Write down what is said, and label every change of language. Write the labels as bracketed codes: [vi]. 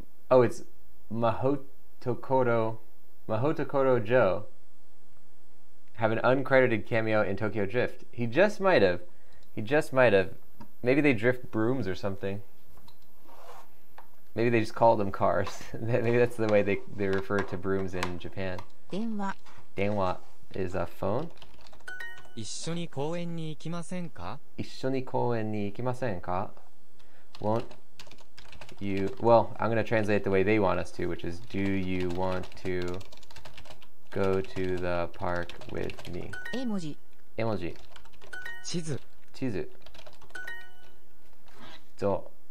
[en] Oh, it's Mahotokoro Joe have an uncredited cameo in Tokyo Drift. He just might have. Maybe they drift brooms or something. Maybe they just call them cars. Maybe that's the way they refer to brooms in Japan. [ja] 電話 [en] Denwa is a phone. [ja] 一緒に公園に行きませんか一緒に公園に行きませんか [en] Won't you... Well, I'm going to translate it the way they want us to, which is, do you want to go to the park with me? [ja] 絵文字絵文字地図地図ぞ